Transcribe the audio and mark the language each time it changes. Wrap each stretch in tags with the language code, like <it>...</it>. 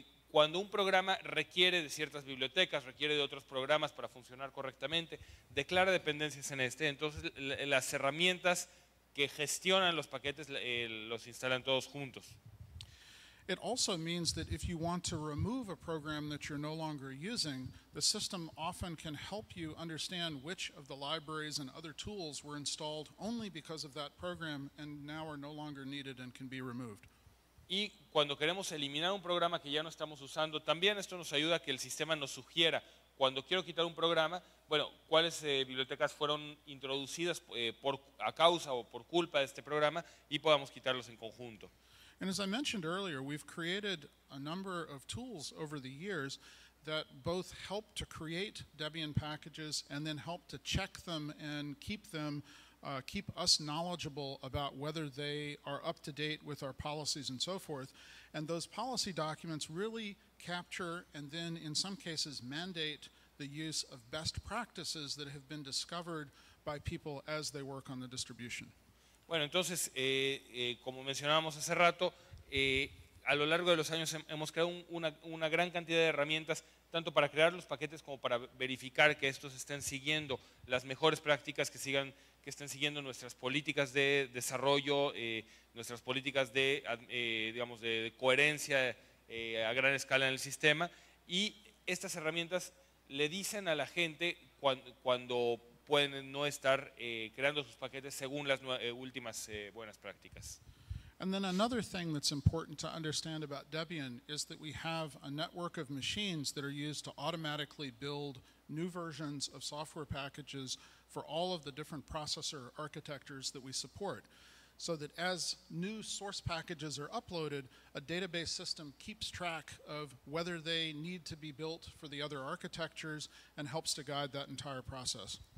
<es>Cuando un programa requiere de ciertas bibliotecas, requiere de otros programas para funcionar correctamente, declara dependencias en este. Entonces, las herramientas que gestionan los paquetes los instalan todos juntos.</es> <en>It also means that if you want to remove a program that you're no longer using, the system often can help you understand which of the libraries and other tools were installed only because of that program and now are no longer needed and can be removed.</en> <es>Y cuando queremos eliminar un programa que ya no estamos usando, también esto nos ayuda a que el sistema nos sugiera, cuando quiero quitar un programa, bueno, cuáles bibliotecas fueron introducidas a causa o por culpa de este programa y podamos quitarlos en conjunto.</es> <en>And as I mentioned earlier, we've created a number of tools over the years that both help to create Debian packages and then help to check them and keep them, keep us knowledgeable about whether they are up to date with our policies and so forth. And those policy documents really capture and then in some cases mandate the use of best practices that have been discovered by people as they work on the distribution.</en> <es>Bueno, entonces, como mencionábamos hace rato, a lo largo de los años hemos creado una gran cantidad de herramientas, tanto para crear los paquetes como para verificar que estos estén siguiendo las mejores prácticas, que estén siguiendo nuestras políticas de desarrollo, nuestras políticas de, digamos, de coherencia a gran escala en el sistema. Y estas herramientas le dicen a la gente cuando pueden no estar creando sus paquetes según las últimas buenas prácticas.</es> <en>And then another thing that's important to understand about Debian is that we have a network of machines that are used to automatically build new versions of software packages for all of the different processor architectures that we support. so that as new source packages are uploaded, a database system keeps track of whether they need to be built for the other architectures and helps to guide that entire process.</en>